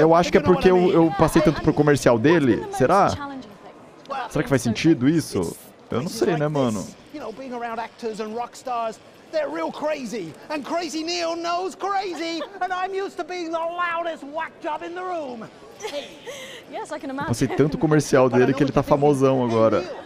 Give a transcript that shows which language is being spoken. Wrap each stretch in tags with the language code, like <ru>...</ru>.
<pt>eu acho que é porque eu passei tanto pro comercial dele, será? Será que faz sentido isso? Eu não sei, né, mano.</pt> <en>You know, being around actors and rock stars, they're real crazy. And crazy Neil knows crazy, and I'm used to being the loudest whack job in the room. Yes, I can imagine.</en> <pt>Eu passei tanto comercial dele que ele tá famosão agora.</pt>